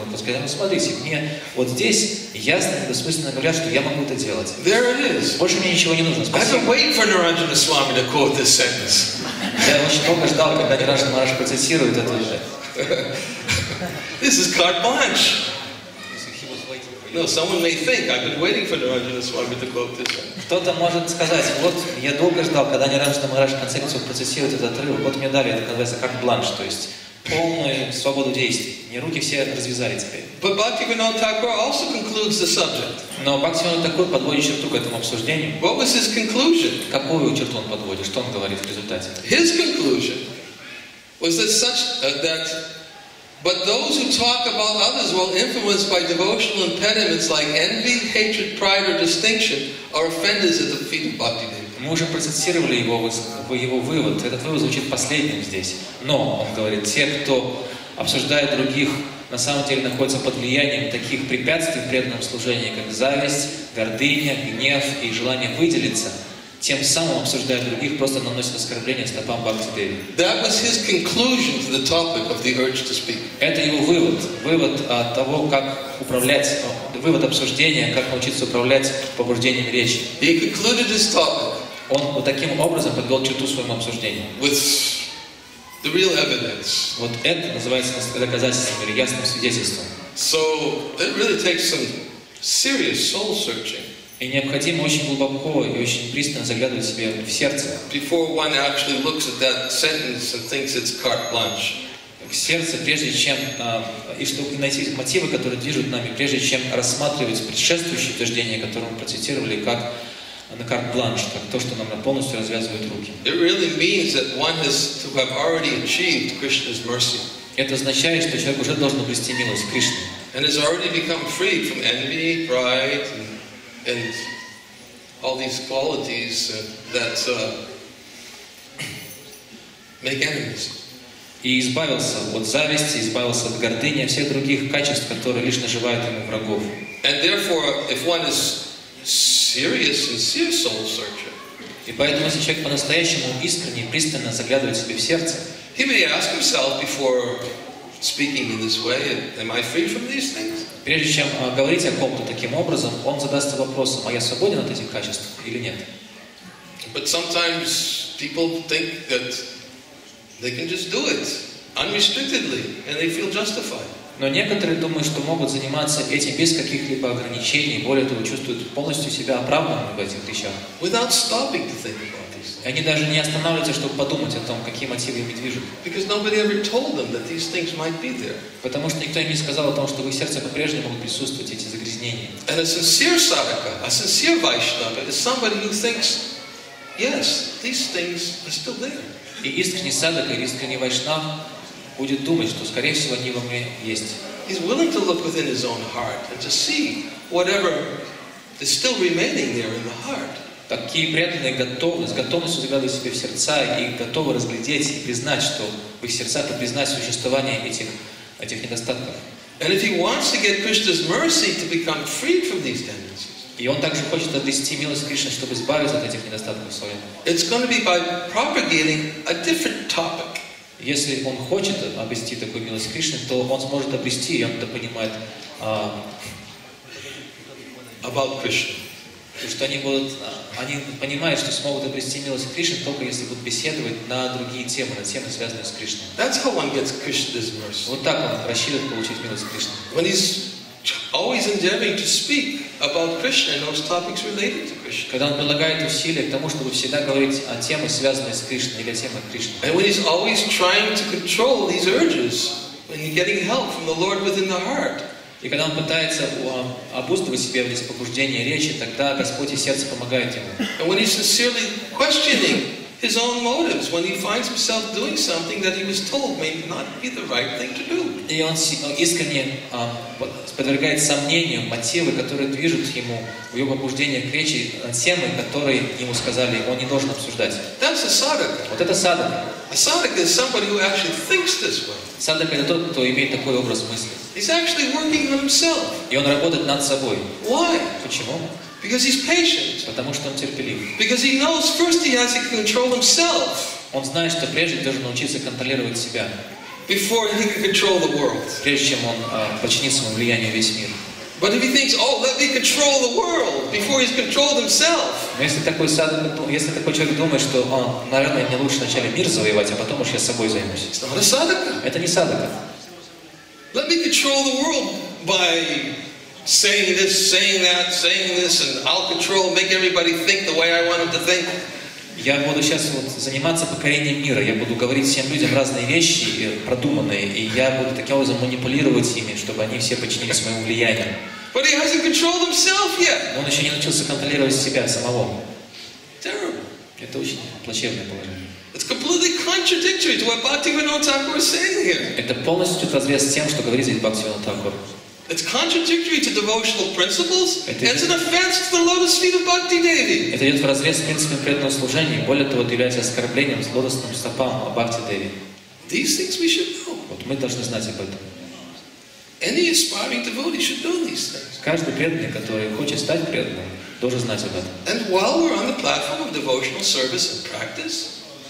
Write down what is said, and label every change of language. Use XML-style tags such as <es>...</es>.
<ru>Сказать, ну смотрите, мне вот здесь ясно и бессмысленно говорят, что я могу это делать.</ru> <en>There it is.</en> <ru>Больше мне ничего не нужно. Спасибо.</ru> <en>I've been waiting for Niranjana Swami to quote this sentence.</en> <ru>Я очень долго ждал, когда Niranjana Maharaj процитирует это уже.</ru> <en>This is carte blanche. He was waiting for you. No, someone may think, I've been waiting for Niranjana Swami to quote this sentence.</en> <ru>Кто-то может сказать, вот я долго ждал, когда Niranjana Maharaj в конце концов процессирует этот отрывок, вот мне дали, это называется как бланш, то есть полную свободу действий. Мне руки все развязали теперь. Но Бхактивинода Тхакур подводит черту к этому обсуждению. Какую черту он подводит? Что он говорит в результате?</ru> <en>His conclusion was that such that but those who talk about others while influenced by devotional impediments like envy, hatred, pride, or distinction are offenders at the feet of Bhaktivedanta.</en> <ru>Мы уже процитировали его вывод. Этот вывод звучит последним здесь. Но, он говорит, те, кто обсуждает других на самом деле находится под влиянием таких препятствий в преданном служении, как зависть, гордыня, гнев и желание выделиться, тем самым обсуждая других, просто наносит оскорбление стопам Бхактидеви.</ru> <en>That was his conclusion to the topic of the urge to speak.</en> <ru>Это его вывод, вывод того, как управлять, вывод обсуждения, как научиться управлять побуждением речи.</ru> <en>He concluded his topic.</en> <ru>Он вот таким образом подвел черту своему обсуждению.</ru> <en>With the real evidence.</en> <ru>Вот это называется доказательством или ясным свидетельством.</ru> <en>So it really takes some serious soul searching.</en> <ru>И необходимо очень глубоко и очень пристально заглядывать себе в сердце.</ru> <en>Before one actually looks at that sentence and thinks it's carte blanche.</en> <ru>В сердце, прежде чем и чтобы найти мотивы, которые движут нами, прежде чем рассматривать предшествующее утверждение, которое мы процитировали, как на carte blanche, как то, что нам полностью развязывает руки.</ru> <en>It really means that one has to have already achieved Krishna's mercy.</en> <ru>Это означает, что человек уже должен обрести милость Кришны.</ru> <en>And has already become free from envy, pride. And all these qualities that make enemies.</en> <ru>И избавился от зависти, избавился от гордыни, от всех других качеств, которые лишь наживают ему врагов.</ru> <en>And therefore, if one is serious, sincere soul searcher.</en> <ru>И поэтому, если человек по-настоящему искренне, пристально заглядывает себе в сердце,</ru> <en>he may ask himself before speaking in this way, am I free from these things?</en> <ru>Прежде чем говорить о ком-то таким образом, он задастся вопросом, а я свободен от этих качеств или нет?</ru> <en>But sometimes people think that they can just do it unrestrictedly and they feel justified.</en> <ru>Но некоторые думают, что могут заниматься этим без каких-либо ограничений, более того, чувствуют полностью себя оправданными в этих вещах.</ru> <en>Without stopping to think about these things.</en> <ru>Они даже не останавливаются, чтобы подумать о том, какие мотивы ими движут.</ru> <en>Because nobody ever told them that these things might be there.</en> <ru>Потому что никто им не сказал о том, что в их сердце по-прежнему могут присутствовать эти загрязнения.</ru> <en>And a sincere sadhaka, a sincere Vaishnava is somebody who thinks, yes, these things are still there.</en> <ru>И искренний садхака, искренний вайшнав будет думать, что, скорее всего, они во мне есть.</ru> <en>He's willing to look within his own heart and to see whatever is still remaining there in the heart.</en> <ru>Такие преданные готовы, с готовностью заглядывать себе в сердца и готовы разглядеть и признать, что в их сердцах признать существование этих недостатков.</ru> <en>And if he wants to get Krishna's mercy to become freed from these tendencies,</en> <ru>и он также хочет обрести милость Кришны, чтобы избавиться от этих недостатков в своем.</ru> <en>It's going to be by propagating a different topic.</en> <ru>Если он хочет обрести такую милость Кришны, то он сможет обрести, и он это понимает,</ru> <en>about Krishna.</en> <ru>То, что они будут, они понимают, что смогут обрести милость Кришны, только если будут беседовать на другие темы, на темы, связанные с Кришной.</ru> <en>That's how one gets Krishna's mercy.</en> <ru>Вот так он рассчитывает получить милость Кришны.</ru> <en>When he's always endeavoring to speak about Krishna and those topics related to Krishna.</en> <ru>Когда он прилагает усилия к тому, чтобы всегда говорить о темах, связанных с Кришной, или о темах Кришны.</ru> <en>And when he's always trying to control these urges, when he's getting help from the Lord within the heart.</en> <ru>И когда он пытается обуздывать себя в эти побуждения речи, тогда Господь и сердце помогает ему.</ru> <en>And when he's sincerely questioning his own motives, when he finds himself doing something that he was told may not be the right thing to do.</en> <ru>И он искренне подвергает сомнению мотивы, которые движут ему, в его побуждение к речи, темы, которые ему сказали, он не должен обсуждать.</ru> <en>That's a sadhaka.</en> <ru>Вот это садхака.</ru> <en>A sadhaka is somebody who actually thinks this way.</en> <ru>Садхака — это тот, кто имеет такой образ мысли.</ru> <en>He's actually working on himself.</en> <ru>И он работает над собой.</ru> <en>Why?</en> <ru>Почему?</ru> <en>Because he's patient.</en> <ru>Потому что он терпелив.</ru> <en>Because he knows first he has to control himself.</en> <ru>Он знает, что прежде должен научиться контролировать себя.</ru> <en>Before he can control the world.</en> <ru>Прежде чем он подчинит своему влиянию весь мир.</ru> <en>But if he thinks, oh, let me control the world before he's controlled himself.</en> <ru>Если такой человек думает, что, наверное, мне лучше вначале мир завоевать, а потом уж я собой займусь.</ru> <en>It's not a sadhaka.</en> <ru>Это не садхака.</ru> <en>Let me control the world by saying this, saying that, saying this, and I'll control, make everybody think the way I want them to think.</en> <ru>Я буду сейчас вот заниматься покорением мира. Я буду говорить всем людям разные вещи, продуманные, и я буду таким образом манипулировать ими, чтобы они все подчинились моему влиянию.</ru> <en>But he hasn't controlled himself yet.</en> <ru>Но он еще не научился контролировать себя самого.</ru> <en>Terrible.</en> <ru>Это очень плачевное положение.</ru> <en>It's completely contradictory to what Bhaktivinoda Thakur is saying here.</en> <ru>Это полностью в разрез с тем, что говорит здесь Бхактивинода Тхакур.</ru> <en>It's contradictory to devotional principles. It's an offense to the lotus feet of Bhaktidevi.</en> <ru>Это идет в разрез с принципами преданного служения, и более того, является оскорблением лотосным стопам Бхактидеви.</ru> <en>These things we should know.</en> <ru>Вот мы должны знать об этом.</ru> <en>Any aspiring devotee should know these things.</en> <ru>Каждый преданный, который хочет стать преданным, должен знать об этом.</ru> <en>And while we're on the platform of devotional service and practice,</en>